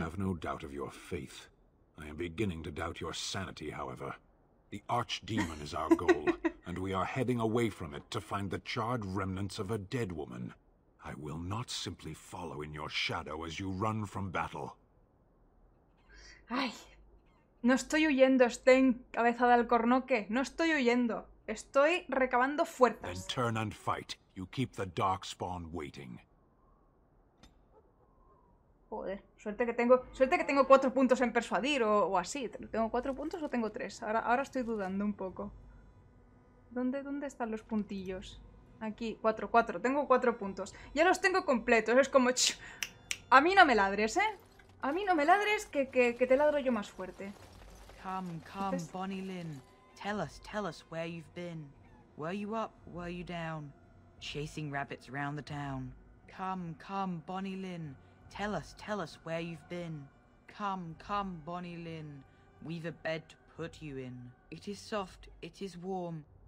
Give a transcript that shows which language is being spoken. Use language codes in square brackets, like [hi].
[en] I have no doubt of your faith. I am beginning to doubt your sanity, however. The Archdemon is our goal, and we are heading away from it to find the charred remnants of a dead woman. I will not simply follow in your shadow as you run from battle. [es] Ay, no estoy huyendo, Sten, cabeza de alcornoque. No estoy huyendo. Estoy recabando fuerzas. [en] Then turn and fight. You keep the darkspawn waiting. [es] Joder, suerte que tengo 4 puntos en persuadir o así. ¿Tengo 4 puntos o tengo 3? Ahora estoy dudando un poco. ¿Dónde están los puntillos? Aquí, 4, tengo 4 puntos. Ya los tengo completos, es como... A mí no me ladres, ¿eh? A mí no me ladres que te ladro yo más fuerte. [en] Come, Bonnie Lynn. Tell us where you've been. Were you up, were you down? Chasing rabbits around the town. Come, Bonnie Lynn. Tell us where you've been. Come, Bonnie Lynn. We've a bed to put you in. It is soft, it is warm.